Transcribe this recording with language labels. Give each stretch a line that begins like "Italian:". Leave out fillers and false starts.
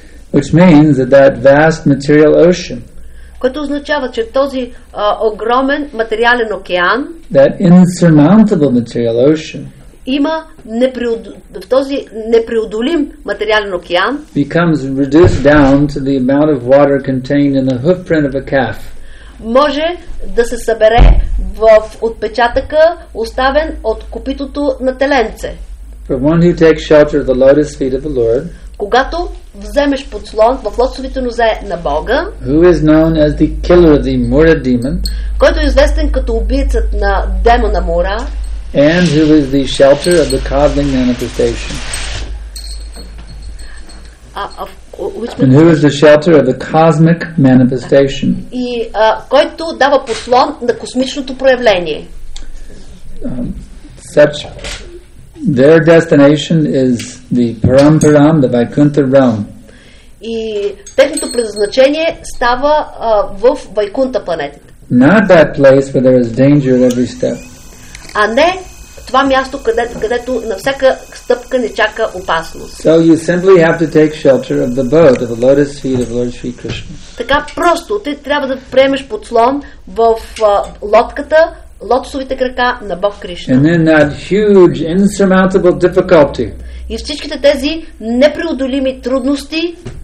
English: Which means that that vast material ocean,
Bulgarian: което означава, че този огромен материален океан,
English: that insurmountable material ocean,
Bulgarian: има в този непреодолим материален океан,
English: becomes reduced down to the amount of water contained in the hoofprint of a calf,
Bulgarian: може да се събере в отпечатъка, оставен от копитото на теленце.
English: For one who takes shelter of the lotus feet of the Lord,
Bulgarian: когато вземеш подслон в лотосовите нозе на Бога,
English: who is known as the killer of the Mura demon,
Bulgarian: който е известен като убийцът на демона Мура,
English: and who is the shelter of the codling manifestation, and who is the shelter of the cosmic manifestation,
Bulgarian: и който дава подслон на космичното проявление.
English: Such their destination is the Paramparam, the Vaikuntha realm.
Bulgarian: И техното предназначение става в Вайкунта планетата.
English: Not that place where there is danger at every step.
Bulgarian: А не това място, където на всяка стъпка не чака опасност.
English: So you simply have to take shelter of the boat of the lotus feet of Lord Sri Krishna.
Bulgarian: Така просто ти трябва да приемеш подслон в лодката, лотосовите крака на Бог Кришна.
English: And then that huge insurmountable difficulty,
Bulgarian: и всичките тези непреодолими трудности,